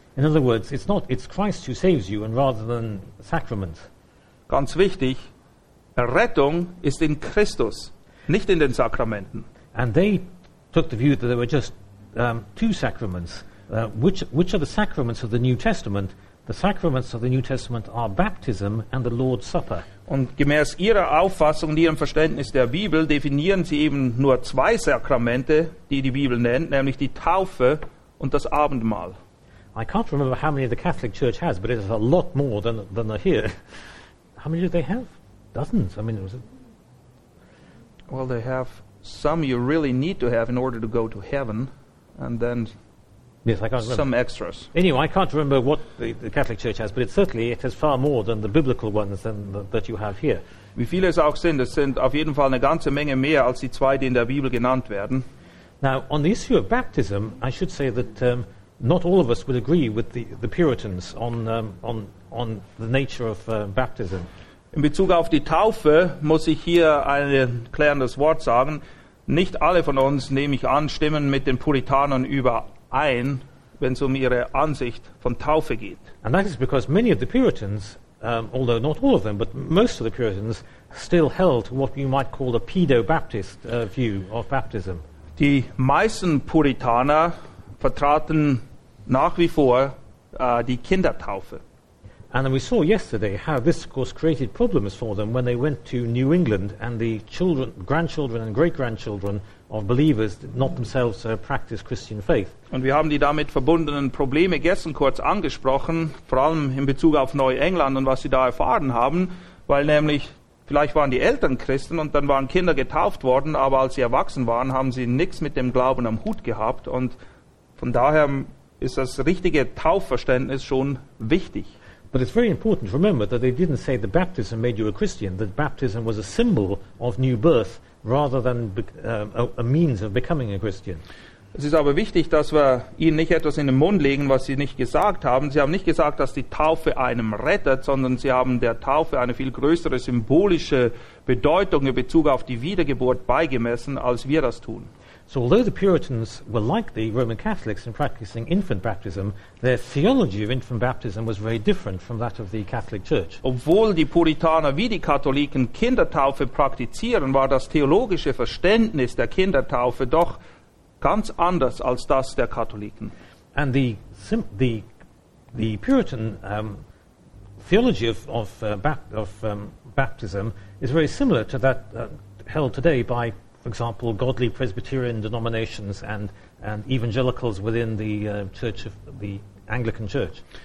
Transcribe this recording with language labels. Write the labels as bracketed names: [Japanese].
[English] In other words, it's Christ who saves you and rather than sacraments. [German] Ganz wichtig: Errettung ist in Christus, nicht in den Sakramenten. [English] And they took the view that there were just two sacraments. Which are the sacraments of the New Testament? The sacraments of the New Testament are baptism and the Lord's Supper. [German] Und gemäß ihrer Auffassung, ihrem Verständnis der Bibel, definieren sie eben nur zwei Sakramente, die Bibel nennt, nämlich die Taufe und das Abendmahl. [English] I can't remember how many the Catholic Church has, but it's a lot more than are here. How many do they have? Dozens. I mean, was it? Well, they have some you really need to have in order to go to heaven, and then. Yes, I can't remember. Some extras. Anyway, I can't remember what the Catholic Church has, but it certainly has far more than the biblical ones that you have here. [German] Wie viele es auch sind, es sind auf jeden Fall eine ganze Menge mehr als die zwei, die in der Bibel genannt werden. [English] Now, on the issue of baptism, I should say that not all of us would agree with the Puritans on the nature of baptism. [German] In Bezug auf die Taufe muss ich hier ein klärendes Wort sagen. Nicht alle von uns, nehme ich an, stimmen mit den Puritanern überein, wenn es ihre Ansicht von Taufe geht. [English] And that is because many of the Puritans, although not all of them, but most of the Puritans, still held what you might call a pedo-Baptist view of baptism. [German] Die meisten Puritaner vertraten nach wie vor die Kindertaufe. [English] And then we saw yesterday how this, of course, created problems for them when they went to New England and the children, grandchildren and great-grandchildren of believers did not themselves practice Christian faith. [German] Und wir haben die damit verbundenen Probleme gestern kurz angesprochen, vor allem in Bezug auf Neuengland und was sie da erfahren haben, weil nämlich vielleicht waren die Eltern Christen und dann waren Kinder getauft worden, aber als sie erwachsen waren, haben sie nichts mit dem Glauben am Hut gehabt. Und von daher ist das richtige Taufverständnis schon wichtig. [English] But it's very important to remember that they didn't say that baptism made you a Christian, that baptism was a symbol of new birth rather than a means of becoming a Christian. [German] Es ist aber wichtig, dass wir ihnen nicht etwas in den Mund legen, was sie nicht gesagt haben. Sie haben nicht gesagt, dass die Taufe einem rettet, sondern sie haben der Taufe eine viel größere symbolische Bedeutung in Bezug auf die Wiedergeburt beigemessen, als wir das tun. [English] So although the Puritans were like the Roman Catholics in practicing infant baptism, their theology of infant baptism was very different from that of the Catholic Church. [German] Obwohl die Puritaner wie die Katholiken Kindertaufe praktizieren, war das theologische Verständnis der Kindertaufe doch ganz anders als das der Katholiken. [English] And the Puritan theology of baptism is very similar to that held today by, for example, godly Presbyterian denominations and evangelicals within the Church of the Anglican Church.